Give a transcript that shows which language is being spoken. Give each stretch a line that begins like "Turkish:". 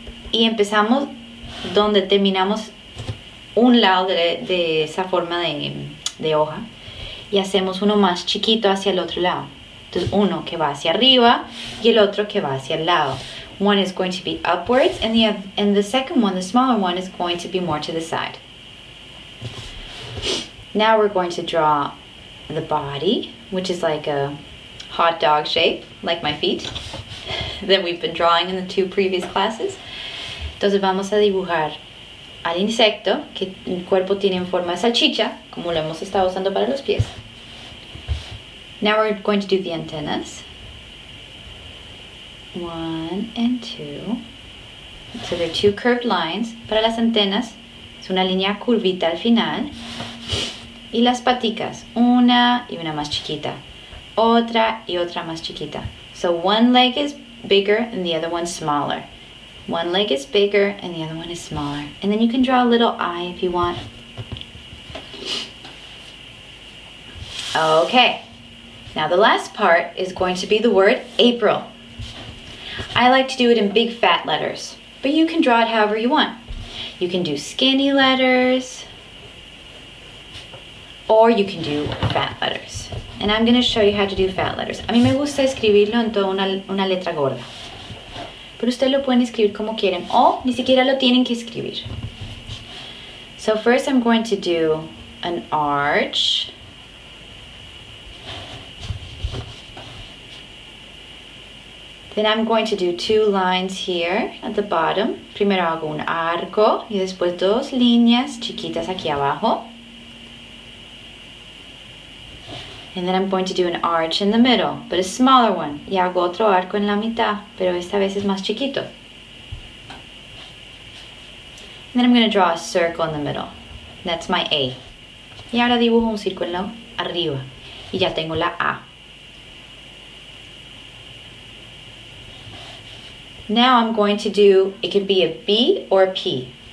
Spanish: Y empezamos donde terminamos un lado de esa forma de hoja. Y hacemos uno más chiquito hacia el otro lado. Entonces uno que va hacia arriba y el otro que va hacia el lado.
English: One is going to be upwards and the second one, the smaller one, is going to be more to the side. Now we're going to draw the body, which is like a hot dog shape, like my feet, that we've been drawing in the two previous classes.
Spanish: Entonces vamos a dibujar al insecto, que el cuerpo tiene en forma de salchicha, como lo hemos estado usando para los pies.
English: Now we're going to do the antennas. One and two. So they're two curved lines.
Spanish: Para las antenas, es una línea curvita al final. Y las paticas, una y una más chiquita. Otra y otra más chiquita.
English: So one leg is bigger and the other one smaller. One leg is bigger and the other one is smaller. And then you can draw a little eye if you want. Okay. Now the last part is going to be the word April. I like to do it in big fat letters, but you can draw it however you want. You can do skinny letters, or you can do fat letters. And I'm going to show you how to do fat letters.
Spanish: A mí me gusta escribirlo en toda una letra gorda. Pero ustedes lo pueden escribir como quieren o ni siquiera lo tienen que escribir.
English: So first I'm going to do an arch. Then I'm going to do two lines here at the bottom.
Spanish: Primero hago un arco y después dos líneas chiquitas aquí abajo.
English: And then I'm going to do an arch in the middle, but a smaller one.
Spanish: Y hago otro arco en la mitad, pero esta vez es más chiquito.
English: And then I'm going to draw a circle in the middle. That's my A.
Spanish: Y ahora dibujo un círculo arriba. Y ya tengo la A.
English: Now I'm going to do, it could be a B or a P.